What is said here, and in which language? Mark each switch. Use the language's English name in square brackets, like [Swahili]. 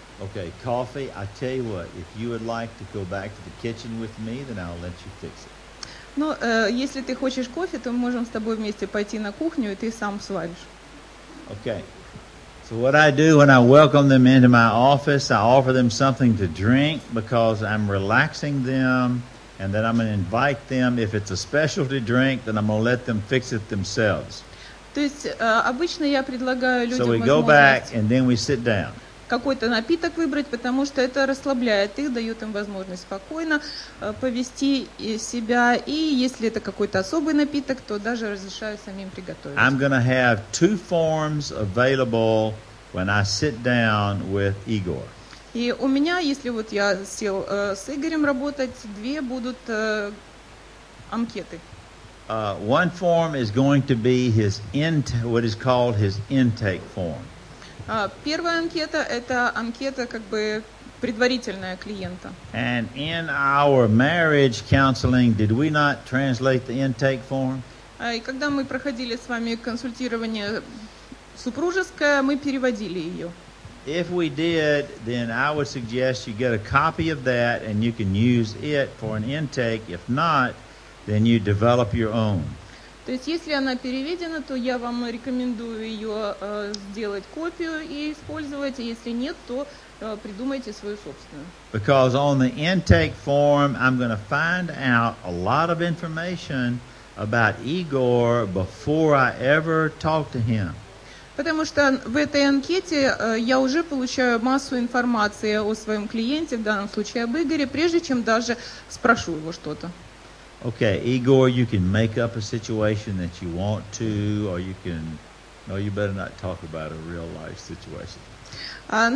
[English] Okay, coffee. I tell you what, if you would like to go back to the kitchen with me, then I'll let you fix it. [Russian] Ну, если ты хочешь кофе, то мы можем с тобой вместе пойти на кухню, и ты сам сваришь. [English] Okay. So what I do when I welcome them into my office, I offer them something to drink because I'm relaxing them, and then I'm going to invite them. If it's a specialty drink, then I'm going to let them fix it themselves. [Russian] То есть обычно я предлагаю людям [English] so we go back and then we sit down. [Russian] Какой-то напиток выбрать, потому что это расслабляет их, дает им возможность спокойно повести себя. И если это какой-то особый напиток, то даже разрешаю самим приготовить. [English] I'm gonna have two forms available when I sit down with Igor. [Russian] И у меня, если вот я сел с Игорем работать, две будут анкеты. [English] One form is going to be his what is called his intake form. [Russian] Первая анкета – это анкета как бы предварительная клиента. [English] And in our marriage counseling, did we not translate the intake form? [Russian] И когда мы проходили с вами консультирование супружеское, мы переводили ее. [English] If we did, then I would suggest you get a copy of that and you can use it for an intake. If not, then you develop your own. [Russian] То есть, если она переведена, то я вам рекомендую ее сделать копию и использовать. Если нет, то придумайте свою собственную. [English] Because on the intake form, I'm going to find out a lot of information about Igor before I ever talk to him. [Russian] Потому что в этой анкете я уже получаю массу информации о своем клиенте, в данном случае об Игоре, прежде чем даже спрошу его что-то. [English] Okay, Igor, you can make up a situation that you want to, or you can... No, you better not talk about a real-life situation.